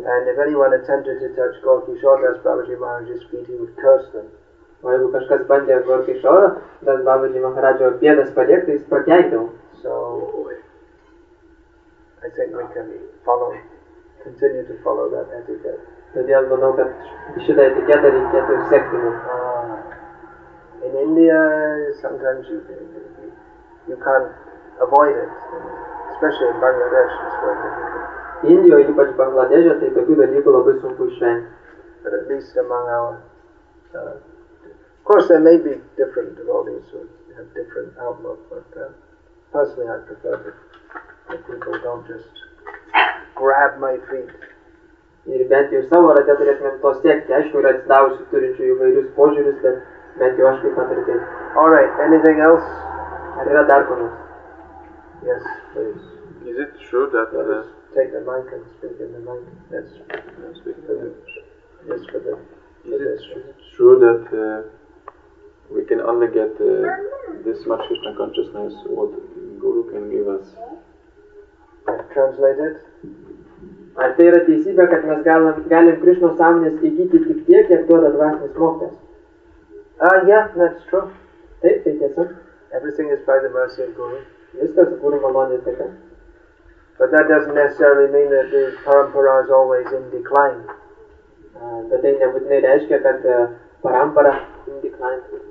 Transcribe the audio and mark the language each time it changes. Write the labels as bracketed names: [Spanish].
[English] And if anyone attempted to touch Gaur-Kishoras Babaji Maharaj's feet, he would curse them. [Lithuanian] O jeigu kažkas bandė Gaur-Kishoras, tas Babaji Maharaj'o pėdas palėkti, jis prakeikdavo. [English] So, I think we can continue to follow that etiquette. [Lithuanian] Todėl manau, kad šitą etiketą reikėtų sekti. [English] In India, sometimes you can't avoid it. Especially in Bangladesh, it's very difficult. [Lithuanian] Indijoje, ypač Bangladeše, tai tokių dalykų labai sunku išvengti. [English] But at least among our... Of course, there may be different devotees who have different outlook, but personally, I prefer that people don't just grab my feet. [Lithuanian] Ir bent jau savo rate turėtumėm to siekti. Aišku, yra atsidavusių turinčių įvairius požiūrius, bet bent jau aš kaip patirti. [English] All right, anything else? [Lithuanian] Ar yra dar ko nors? [English] Yes, please. Is it true that... Take the mic and speak in the mic. Yes, yes, for the... Is it true that we can only get this much Krishna consciousness, what Guru can give us? Translated? [Lithuanian] Ar tai yra teisybė, kad mes galim Krishna sąmonės įgyti tik tiek, kiek duoda dvasinis mokslas? [English] Yeah, that's true. [Lithuanian] Taip, tai tiesa. [English] Everything is by the mercy of Guru. [Lithuanian] Viskas Guru malonės dėka. [English] But that doesn't necessarily mean that the parampara is always in decline. [Lithuanian] Bet tai nebūtinai reiškia, kad parampara [English] in decline.